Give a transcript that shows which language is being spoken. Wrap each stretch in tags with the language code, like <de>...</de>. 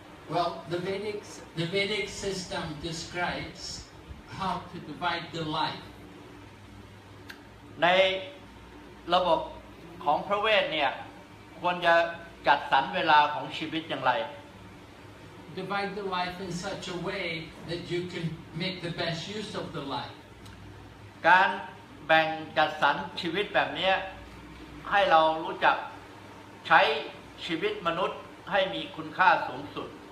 <en>Well, the Vedic system describes how to divide the life.</en> <th>ในระบบ ของพระเวทเนี่ยควรจะจัดสรรเวลาของชีวิตอย่างไร</th> <en>Divide the life in such a way that you can make the best use of the life</en> <th>การแบ่งจัดสรรชีวิตแบบนี้ให้เรารู้จักใช้ชีวิตมนุษย์ให้มีคุณค่าสูงสุด</th>